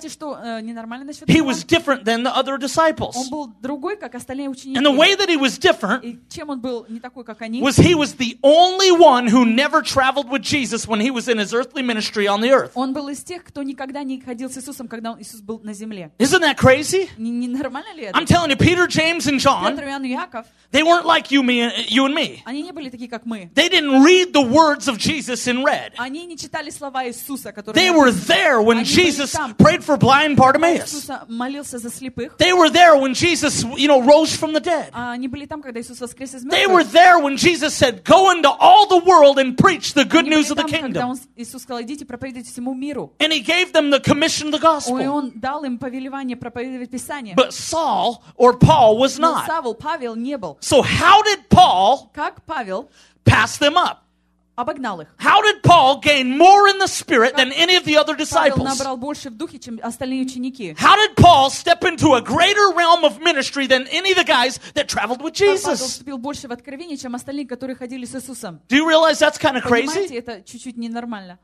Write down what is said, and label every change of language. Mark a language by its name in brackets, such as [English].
[Russian] Знаете, что ненормально насчет [English] этого? He was different than the other disciples. [Russian] Он был другой, как остальные ученики. [English] And the way that he was different, [Russian] и чем он был не такой, как они, [English] was he was the only one who never traveled with Jesus when he was in his earthly ministry on the earth. [Russian] Он был из тех, кто никогда не ходил с Иисусом, когда Иисус был на земле. [English] Isn't that crazy? [Russian] Ненормально ли это? [English] I'm telling you, Peter, James, and John, [Russian] Петр, Иоанн и Яков, [English] they weren't like you, me, you and me. [Russian] Они не были такие, как мы. [English] They didn't read the words of Jesus in red. [Russian] Они не читали слова Иисуса, которые [English] they were there when Jesus prayed for blind Bartimaeus. [Russian] Молился за слепых. [English] They were there when Jesus, you know, rose from the dead. [Russian] Они были там, когда Иисус воскрес из мертвых. [English] They were there when Jesus said, "Go into all the world and preach the good news of the kingdom." [Russian] Они были там, когда Иисус сказал, идите, проповедуйте всему миру. [English] And he gave them the commission of the gospel. [Russian] Он дал им повеление проповедовать Писание. [English] But Saul or Paul was not. [Russian] Савл, Павел не был. [English] So how did Paul pass them up? [Russian] Обогнал их. [English] How did Paul gain more in the spirit than any of the other disciples? [Russian] Павел набрал больше в духе, чем остальные ученики. [English] How did Paul step into a greater realm of ministry than any of the guys that traveled with Jesus? [Russian] Павел вступил больше в откровение, чем остальные, которые ходили с Иисусом. [English] Do you realize that's kind of crazy? [Russian] Понимаете, это чуть-чуть ненормально.